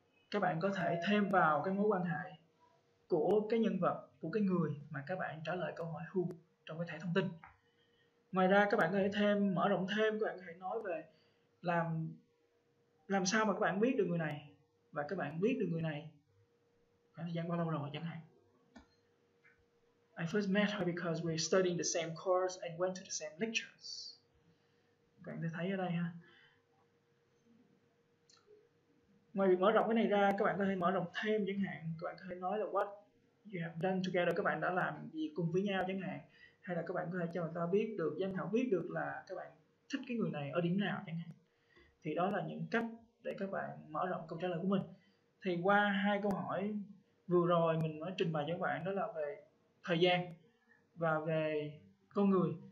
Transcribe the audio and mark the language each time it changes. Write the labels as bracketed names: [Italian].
[Vietnamese] Các bạn có thể thêm vào cái mối quan hệ của cái nhân vật, của cái người mà các bạn trả lời câu hỏi who trong cái thẻ thông tin. Ngoài ra các bạn có thể thêm, mở rộng thêm, các bạn có thể nói về làm sao mà các bạn biết được người này, và các bạn biết được người này khoảng thời gian bao lâu rồi chẳng hạn. [English] I first met her because we studied the same course and went to the same lectures. [Vietnamese] Các bạn thấy ở đây ha. Ngoài việc mở rộng cái này ra, các bạn có thể mở rộng thêm chẳng hạn. Các bạn có thể nói là [English] what you have done together, [Vietnamese] các bạn đã làm gì cùng với nhau chẳng hạn. Hay là các bạn có thể cho người ta biết được, giám khảo biết được là các bạn thích cái người này ở điểm nào chẳng hạn. Thì đó là những cách để các bạn mở rộng câu trả lời của mình. Thì qua hai câu hỏi vừa rồi mình mới trình bày cho các bạn, đó là về thời gian và về con người.